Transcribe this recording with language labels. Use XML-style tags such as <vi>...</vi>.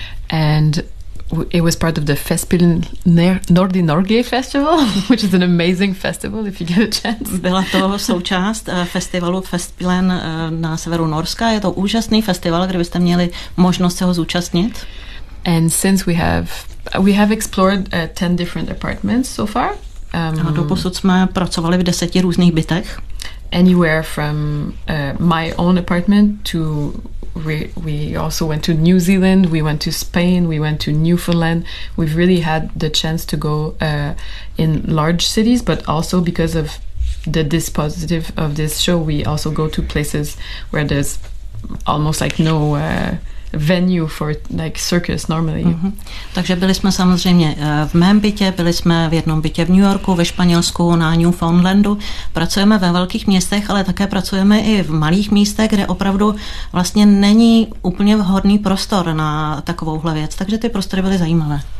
<en>And it was part of the Festspillen Nordi Norge Festival, which is an amazing festival if you get a chance.</en> <cs>Byla to součást festivalu Festspillen na severu Norska. Je to úžasný festival, kde byste měli možnost se ho zúčastnit.</cs> <en>And since we have explored 10 different apartments so far.</en> <cs>A doposud jsme pracovali v 10 různých bytech.</cs> <en>Anywhere from my own apartment to we also went to New Zealand, we went to Spain, we went to Newfoundland. We've really had the chance to go in large cities, but also because of the dispositive of this show, we also go to places where there's almost like no venue for like circus normally. Mm-hmm.</en> <cs>Takže byli jsme samozřejmě v mém bytě, byli jsme v jednom bytě v New Yorku, ve Španělsku, na Newfoundlandu. Pracujeme ve velkých městech, ale také pracujeme i v malých místech, kde opravdu vlastně není úplně vhodný prostor na takovouhle věc. Takže ty prostory byly zajímavé.</cs>